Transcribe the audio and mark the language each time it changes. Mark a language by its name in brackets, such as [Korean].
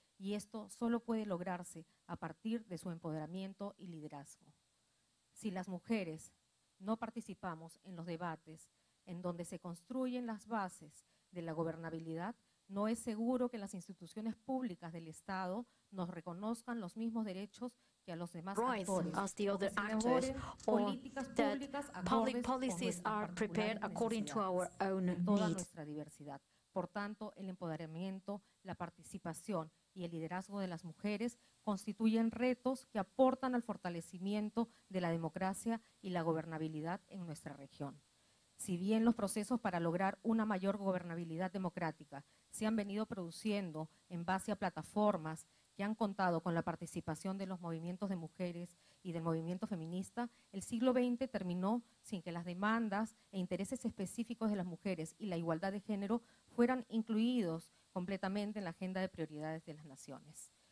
[Spanish] Y esto solo puede lograrse a partir de su empoderamiento y liderazgo. Si las mujeres no participamos en los debates en donde se construyen las bases de la gobernabilidad, no es seguro que las instituciones públicas del Estado nos reconozcan los mismos derechos que a los demás actores. [English] The other actors or that public policies are prepared according to our own needs. [Spanish] Por tanto, el empoderamiento, la participación y el liderazgo de las mujeres constituyen retos que aportan al fortalecimiento de la democracia y la gobernabilidad en nuestra región. Si bien los procesos para lograr una mayor gobernabilidad democrática se han venido produciendo en base a plataformas que han contado con la participación de los movimientos de mujeres y del movimiento feminista, el siglo XX terminó sin que las demandas e intereses específicos de las mujeres y la igualdad de género fueran incluidos completamente en la agenda de prioridades de las naciones.